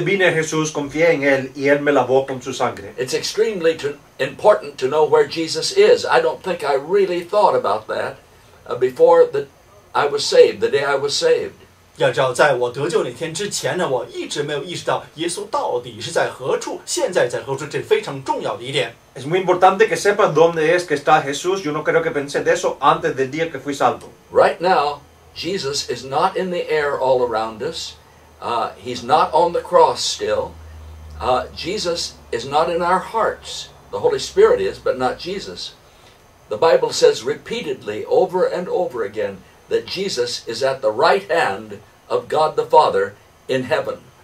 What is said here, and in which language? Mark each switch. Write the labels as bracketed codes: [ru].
[es] vine Jesús, confié en él y él me lavó con su sangre. [en] It's extremely important to know where Jesus is. I don't think I really thought about that before that I was saved, the day I was saved. [zh] 要知道，在我得救那天之前呢，我一直没有意识到耶稣到底是在何处，现在在何处，这非常重要的一点。 [es] Es muy importante que sepas dónde es que está Jesús. Yo no creo que pensé de eso antes del día que fui salvo. [en] Right now, Jesus is not in the air all around us. He's not on the cross still. Jesus is not in our hearts. The Holy Spirit is, but not Jesus. The Bible says repeatedly, over and over again, that Jesus is at the right hand of God the Father in heaven.